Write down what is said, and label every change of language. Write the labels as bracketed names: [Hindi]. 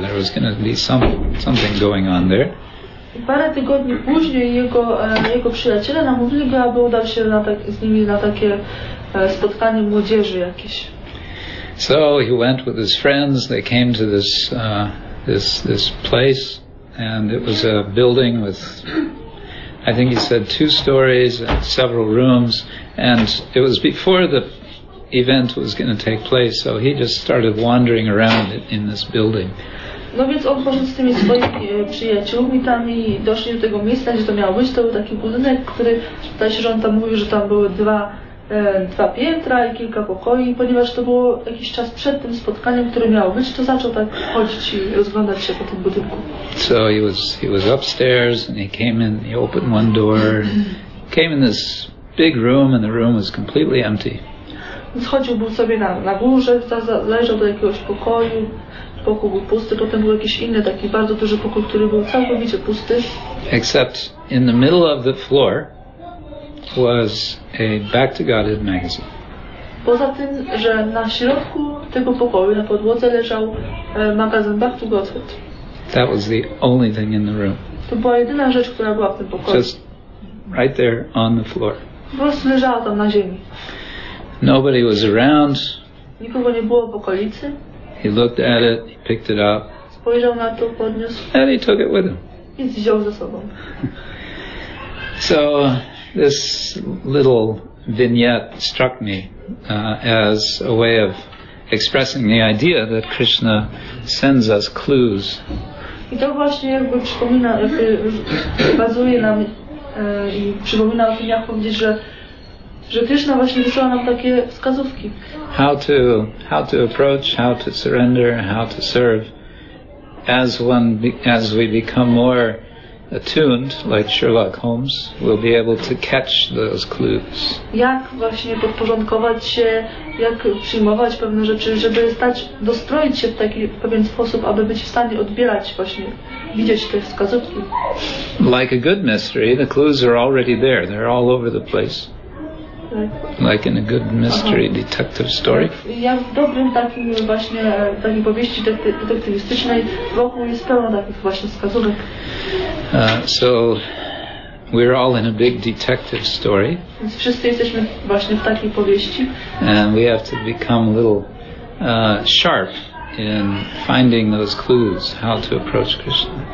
[English] There was going to be something going on there. [Polish] Parę tygodni później jego przyjaciele namówili go, aby udał się z nimi na takie spotkanie młodzieży jakieś. [English] So he went with his friends. They came to this place, and it was a building with, I think he said, two stories and several rooms. And it was before the event was going to take place, so he just started wandering around it in this building. [Polish] No więc on poszedł z tymi swoimi przyjaciółmi tam i doszli do tego miejsca, gdzie to miało być. To był taki budynek, który, zdaje się, że on tam mówił, że tam były dwa piętra i kilka pokoi, ponieważ to było jakiś czas przed tym spotkaniem, które miało być, to zaczął tak chodzić i rozglądać się po tym budynku. [English] So he was upstairs and he came in, he opened one door, came in this big room and the room was completely empty. [Polish] Schodził był sobie na górze, leżał do jakiegoś pokoju. Pokój był pusty, potem był jakiś inny taki bardzo duży pokój, który był całkowicie pusty. [English] Except in the middle of the floor was a Back to Godhead magazine. [Polish] Poza tym, że na środku tego pokoju, na podłodze leżał magazyn Back to Godhead. [English] That was the only thing in the room. [Polish] To była jedyna rzecz, która była w tym pokoju. [English] Just right there on the floor. [Polish] Po prostu leżała tam na ziemi. [English] Nobody was around. [Polish] Nikogo nie było w okolicy. [English] He looked at it, he picked it up. [Polish] Spojrzał na to, podniósł. [English] And he took it with him. [Polish] I wziął ze sobą. [English] So this little vignette struck me as a way of expressing the idea that Krishna sends us clues. [Polish] I to właśnie jakby przypomina, bazuje nam i przypomina o tym, jak powiedzieć, że Krishna właśnie wysyła nam takie wskazówki. [English] How to approach, how to surrender, how to serve, as we become more attuned, like Sherlock Holmes, we'll be able to catch those clues. [Polish] Jak właśnie podporządkować się, jak przyjmować pewne rzeczy, żeby dostroić się w taki w pewien sposób, aby być w stanie odbierać właśnie, widzieć te wskazówki. [English] Like a good mystery, the clues are already there. They're all over the place. Like in a good mystery detective story. [Polish] Ja w dobrym takim właśnie takiej powieści detektywistycznej wokół jest pełno takich właśnie wskazówek. [English] So we're all in a big detective story. [Polish] Wszyscy jesteśmy właśnie w takiej powieści. [English] And we have to become a little sharp in finding those clues, how to approach Krishna.